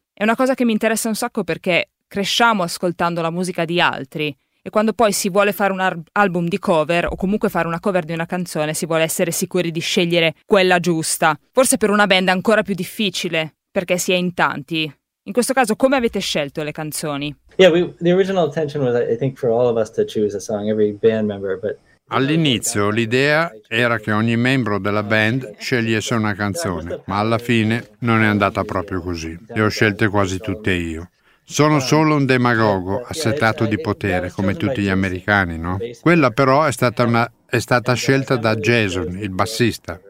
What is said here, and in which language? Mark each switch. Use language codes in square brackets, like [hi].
[it] È una cosa che mi interessa un sacco perché cresciamo ascoltando la musica di altri e quando poi si vuole fare un album di cover o comunque fare una cover di una canzone si vuole essere sicuri di scegliere quella giusta. Forse per una band è ancora più difficile perché si è in tanti. In questo caso, come avete scelto le canzoni? [en] The original intention was, I think, for all of us to choose a song, every band member, but... [it] All'inizio l'idea era che ogni membro della band scegliesse una canzone, ma alla fine non è andata proprio così. Le ho scelte quasi tutte io. Sono solo un demagogo assetato di potere, come tutti gli americani, no? Quella però è stata scelta da Jason, il bassista.